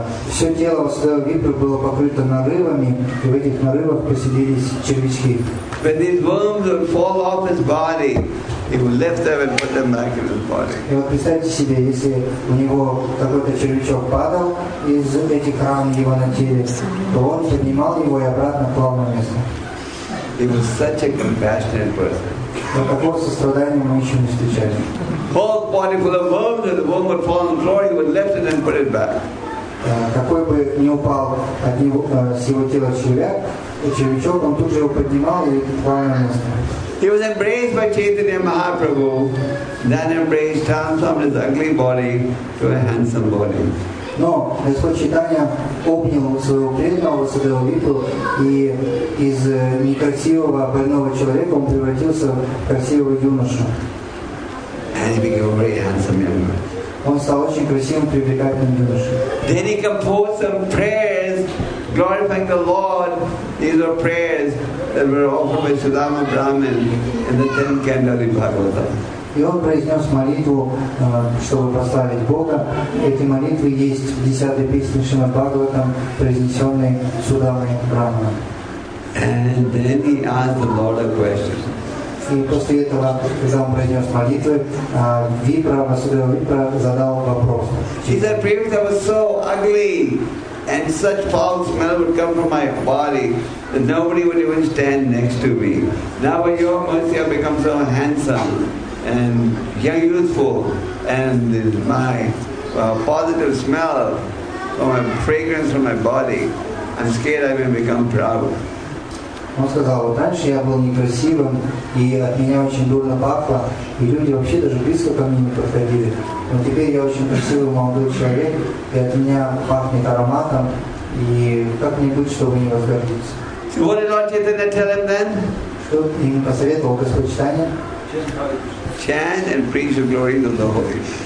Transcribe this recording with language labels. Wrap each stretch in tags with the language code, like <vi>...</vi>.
<ru>Все тело Васудева Випры было покрыто нарывами, и в этих нарывах поселились червячки.</ru> <en>When these worms would fall off his body, he would lift them and put them back in his body.</en> <ru>И вот представьте себе, если у него какой-то червячок падал из этих ран его на теле, то он поднимал его и обратно клал на место.</ru> <en>He was such a compassionate person.</en> <ru>Но такого сострадания мы еще не встречали.</ru> <en>Whole body full of worms, and the worm would fall on the floor, he would lift it and put it back.</en> <ru>Какой бы ни упал от него, с его тела червячок, он тут же его поднимал и клал на место.</ru> <en>He was embraced by Chaitanya Mahaprabhu, then embraced, transformed his ugly body to a handsome body.</en> <ru>Но Господь Чайтанья обнял своего преданного Васудеву Випру, и из некрасивого больного человека он превратился в красивого юношу.</ru> <en>And he became a very handsome young man.</en> <ru>Он стал очень красивым, привлекательным юношей.</ru> <en>Then he composed some prayers, glorifying the Lord. These were prayers that were offered by Sudama Brahman in the 10th canto of Bhagavatam.</en> <ru>И он произнес молитву, чтобы прославить Бога. Эти молитвы есть в 10-й песне Шримад Бхагаватам, произнесенной Судамой Брахманом.</ru> <en>And then he asked the Lord a question.</en> <ru>И после этого, когда он произнес молитвы, Випра, Васудева Випра, задал вопрос.</ru> <en>He said, previously I was so ugly, and such foul smell would come from my body, that nobody would even stand next to me. Now by your mercy I've become so handsome, and young, youthful, and my positive smell, or my fragrance from my body, I'm scared I may become proud.</en> <ru>Он сказал, вот раньше я был некрасивым, и от меня очень дурно пахло, и люди вообще даже близко ко мне не подходили. Но теперь я очень красивый молодой человек, и от меня пахнет ароматом, и как мне быть, чтобы не возгордиться?</ru> <en>So what did Lord Chaitanya tell him then?</en> <ru>Что ему посоветовал Господь Чайтанья?</ru> <en>Chant and preach the glory of the Holy.</en>